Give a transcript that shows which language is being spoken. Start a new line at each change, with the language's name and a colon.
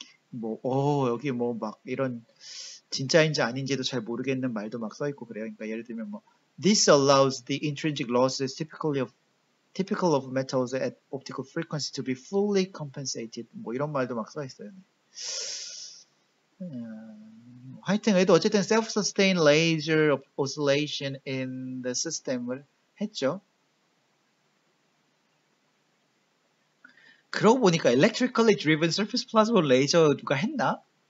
Korean: 뭐, 여기 뭐, 막, 이런, 진짜인지 아닌지도 잘 모르겠는 말도 막 써있고 그래요. 그러니까 예를 들면 뭐,
English: this allows the intrinsic losses typical of metals at optical frequency to be fully compensated.
Korean: 뭐, 이런 말도 막 써있어요. 하여튼, 그래도 어쨌든
English: self-sustained laser oscillation in the system을
Korean: 했죠.
English: 그러고 보니까 electrically driven surface plasma laser
Korean: 누가 했나?